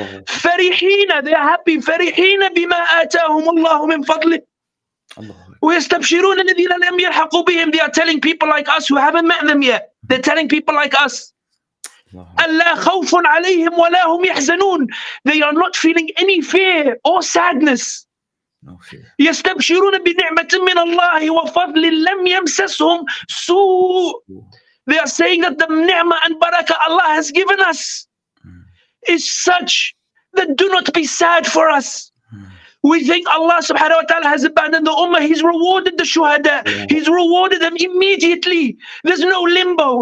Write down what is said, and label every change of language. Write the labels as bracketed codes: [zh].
[ar] فرحين, [en] they are happy, [ar] فرحين بما آتاهم الله من فضله. ويستبشرون الذين لم يلحقوا بهم. [en] They are telling people like us who haven't met them yet. They're telling people like us. [ar] ألا خوف عليهم ولا هم يحزنون. [en] They are not feeling any fear or sadness. [ar] يستبشرون بنعمة من الله وفضل لم يمسسهم سوء. [en] They are saying that the ni'mah and barakah Allah has given us is such that do not be sad for us. We think Allah subhanahu wa ta'ala has abandoned the ummah. He's rewarded the shuhada. He's rewarded them immediately. There's no limbo.